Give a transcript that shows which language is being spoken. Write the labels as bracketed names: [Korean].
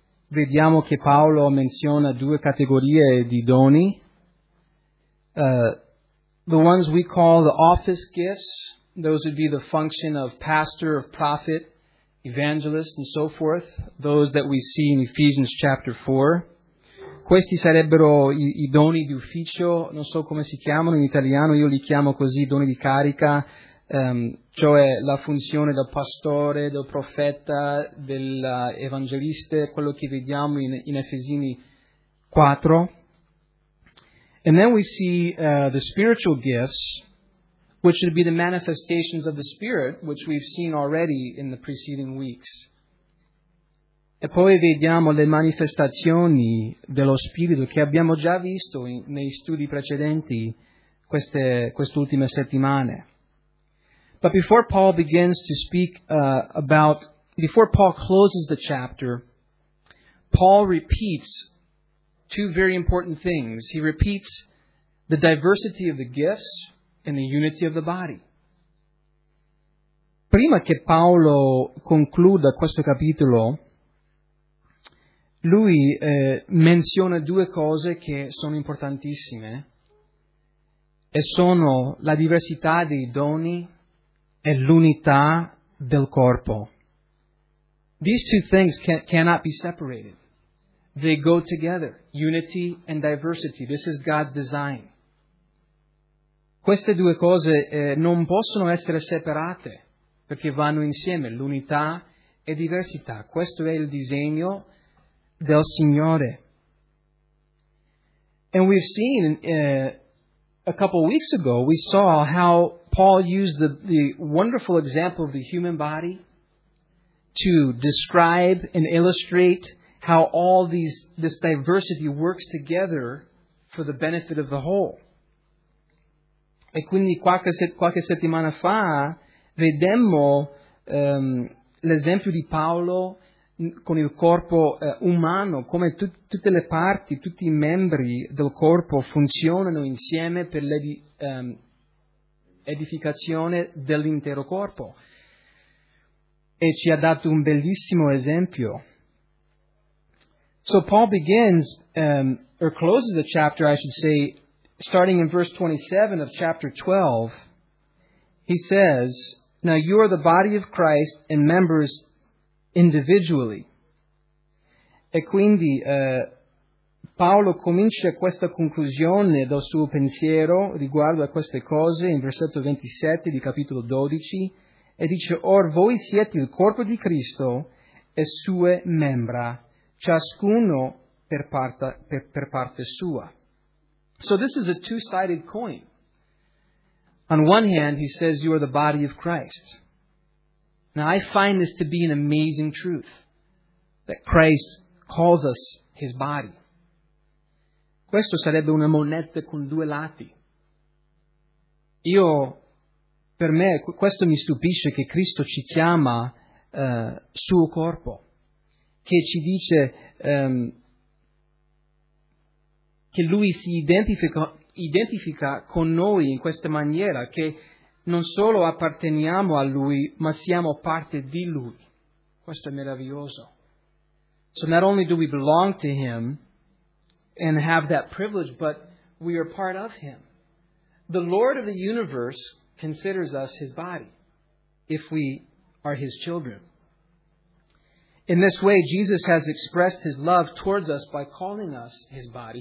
[Italian] Vediamo che Paolo menziona due categorie di doni. [English] The ones we call the office gifts, those would be the function of pastor, of prophet, evangelist, and so forth, those that we see in Ephesians chapter 4. [Italian] Questi sarebbero i doni di ufficio, non so come si chiamano in italiano, io li chiamo così, doni di carica, cioè la funzione del pastore, del profeta, dell'evangelista, quello che vediamo in Efesini 4. [English] And then we see the spiritual gifts, which would be the manifestations of the Spirit, which we've seen already in the preceding weeks. [Italian] E poi vediamo le manifestazioni dello Spirito che abbiamo già visto nei studi precedenti queste ultime settimane. [English] But before Paul begins to speak before Paul closes the chapter, Paul repeats two very important things. He repeats the diversity of the gifts and the unity of the body. [Italian] Prima che Paolo concluda questo capitolo, lui menziona due cose che sono importantissime, e sono la diversità dei doni e l'unità del corpo. [English] These two things cannot be separated. They go together, unity and diversity. This is God's design. [Italian] Queste due cose non possono essere separate, perché vanno insieme, l'unità e diversità. Questo è il disegno del Signore. [English] And we've seen, a couple of weeks ago, we saw how Paul used the wonderful example of the human body to describe and illustrate how all this diversity works together for the benefit of the whole. [Italian] E quindi qualche settimana fa vedemmo l'esempio di Paolo con il corpo umano, come tutte le parti, tutti i membri del corpo funzionano insieme per l'edificazione dell'intero corpo. E ci ha dato un bellissimo esempio. [English] So Paul begins, or closes the chapter, I should say, starting in verse 27 of chapter 12, he says, "Now you are the body of Christ and members individually." [Italian] E quindi Paolo comincia questa conclusione del suo pensiero riguardo a queste cose in versetto 27 di capitolo 12 e dice, "Or voi siete il corpo di Cristo e sue membra, ciascuno per parte sua." [English] So this is a two-sided coin. On one hand, he says, you are the body of Christ. Now, I find this to be an amazing truth, that Christ calls us his body. [Italian] Questo sarebbe una moneta con due lati. Io, per me, questo mi stupisce che Cristo ci chiama suo corpo, che ci dice che lui si identifica con noi in questa maniera, che non solo apparteniamo a lui, ma siamo parte di lui. Questo è meraviglioso. [English] So not only do we belong to him and have that privilege, but we are part of him. The Lord of the universe considers us his body, if we are his children. In this way, Jesus has expressed his love towards us by calling us his body.